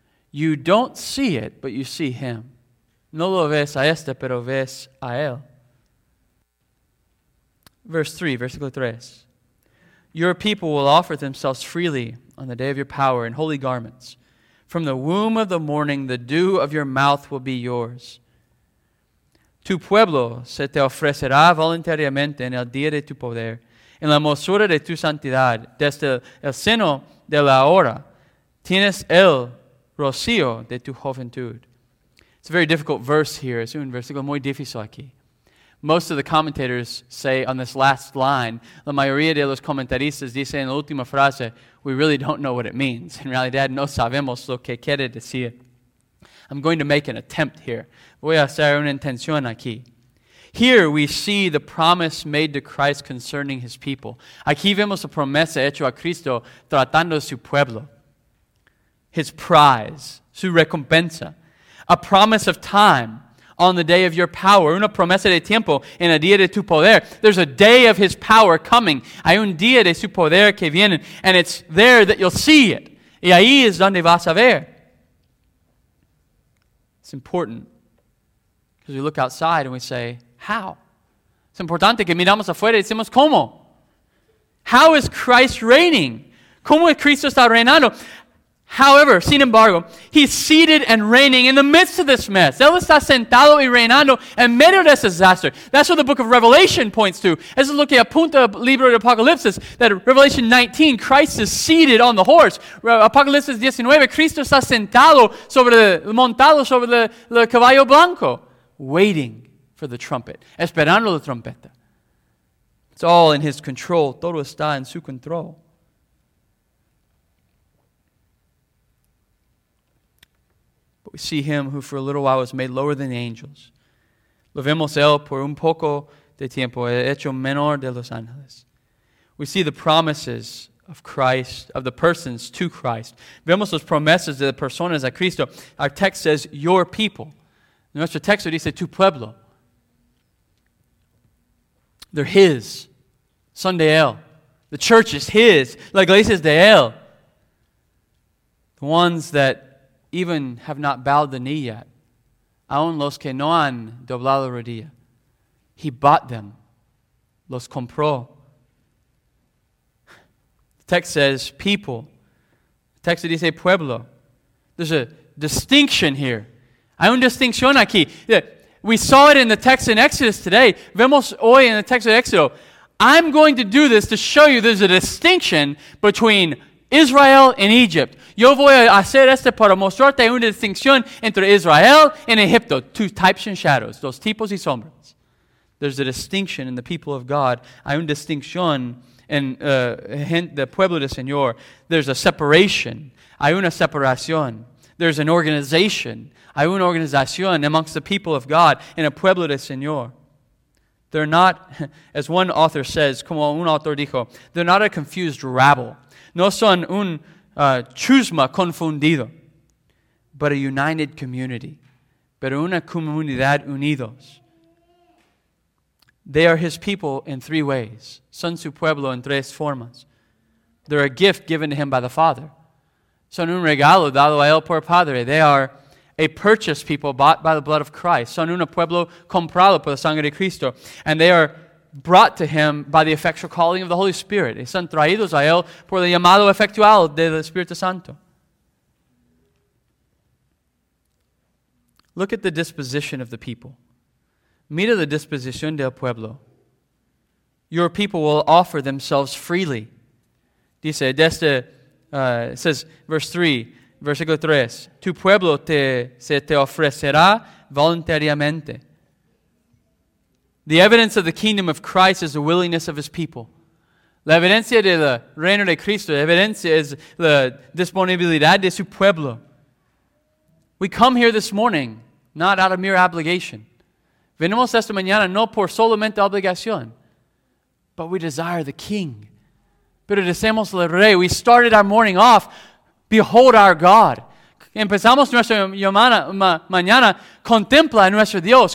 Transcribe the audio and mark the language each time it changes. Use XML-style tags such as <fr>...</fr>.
<en>You don't see it, but you see him.</en> <es>No lo ves a este, pero ves a él.</es> <en>Verse 3. Your people will offer themselves freely on the day of your power in holy garments. From the womb of the morning, the dew of your mouth will be yours.</en> <es>Tu pueblo se te ofrecerá voluntariamente en el día de tu poder, en la mosura de tu santidad. Desde el seno de la hora, tienes el rocío de tu juventud.</es> <en>It's a very difficult verse here.</en> <es>Es un versículo muy difícil aquí.</es> <en>Most of the commentators say on this last line,</en> <es>la mayoría de los comentaristas dicen en la última frase,</es> <en>we really don't know what it means.</en> <es>En realidad, no sabemos lo que quiere decir.</es> <en>I'm going to make an attempt here.</en> <es>Voy a hacer una intención aquí.</es> <en>Here we see the promise made to Christ concerning his people.</en> <es>Aquí vemos la promesa hecha a Cristo tratando su pueblo.</es> <en>His prize,</en> <es>su recompensa.</es> <en>A promise of time. On the day of your power,</en> <es>una promesa de tiempo, en el día de tu poder.</es> <en>There's a day of his power coming.</en> <es>Hay un día de su poder que viene,</es> <en>and it's there that you'll see it.</en> <es>Y ahí es donde vas a ver.</es> <en>It's important, because we look outside and we say, how?</en> <es>Es importante que miramos afuera y decimos, ¿cómo?</es> <en>How is Christ reigning?</en> <es>¿Cómo es Cristo está reinando?</es> <en>However,</en> <es>sin embargo,</es> <en>he's seated and reigning in the midst of this mess.</en> <es>Él está sentado y reinando en medio de ese disaster.</es> <en>That's what the book of Revelation points to.</en> <es>Eso es lo que apunta el libro de Apocalipsis,</es> <en>that Revelation 19, Christ is seated on the horse.</en> <es>Apocalipsis 19, Cristo está sentado sobre el montado sobre el caballo blanco,</es> <en>waiting for the trumpet,</en> <es>esperando la trompeta.</es> <en>It's all in his control.</en> <es>Todo está en su control.</es> <en>We see him who for a little while was made lower than the angels.</en> <es>Lo vemos él por un poco de tiempo, hecho menor de los ángeles.</es> <en>We see the promises of Christ, of the persons to Christ.</en> <es>Vemos las promesas de las personas a Cristo.</es> <en>Our text says, your people.</en> <es>Nuestro texto dice, tu pueblo.</es> <en>They're his.</en> <es>Son de él.</es> <en>The church is his.</en> <es>La iglesia es de él.</es> <en>The ones that even have not bowed the knee yet.</en> <es>Aún los que no han doblado la rodilla.</es> <en>He bought them.</en> <es>Los compró.</es> <en>The text says people. The text</en> <es>dice pueblo.</es> <en>There's a distinction here.</en> <es>Hay una distinción aquí.</es> <en>We saw it in the text in Exodus today.</en> <es>Vemos hoy en el texto de Éxodo.</es> <en>I'm going to do this to show you there's a distinction between Israel and Egypt.</en> <es>Yo voy a hacer este para mostrarte una distinción entre Israel and Egipto.</es> <en>Two types and shadows.</en> <es>Dos tipos y sombras.</es> <en>There's a distinction in the people of God.</en> <es>Hay una distinción en the pueblo del Señor.</es> <en>There's a separation.</en> <es>Hay una separación.</es> <en>There's an organization.</en> <es>Hay una organización</es> <en>amongst the people of God</en> <es>in el pueblo del Señor.</es> <en>They're not, as one author says,</en> <es>como un autor dijo,</es> <en>they're not a confused rabble.</en> <es>No son un chusma confundido,</es> <en>but a united community,</en> <es>pero una comunidad unidos.</es> <en>They are his people in three ways.</en> <es>Son su pueblo en tres formas.</es> <en>They're a gift given to him by the Father.</en> <es>Son un regalo dado a él por Padre.</es> <en>They are a purchased people bought by the blood of Christ.</en> <es>Son un pueblo comprado por la sangre de Cristo.</es> <en>And they are brought to him by the effectual calling of the Holy Spirit.</en> <es>Son traídos a él por el llamado efectual del Espíritu Santo.</es> <en>Look at the disposition of the people.</en> <es>Mira la disposición del pueblo.</es> <en>Your people will offer themselves freely.</en> <es>Dice,</es> <en>says verse 3,</en> <es>versículo 3, tu pueblo se te ofrecerá voluntariamente.</es> <en>The evidence of the kingdom of Christ is the willingness of his people.</en> <es>La evidencia del reino de Cristo, la evidencia es la disponibilidad de su pueblo.</es> <en>We come here this morning, not out of mere obligation.</en> <es>Venimos esta mañana no por solamente obligación,</es> <en>but we desire the King.</en> <es>Pero deseamos el Rey.</es> <en>We started our morning off, behold our God.</en> <es>Empezamos nuestra mañana, contempla a nuestro Dios.</es>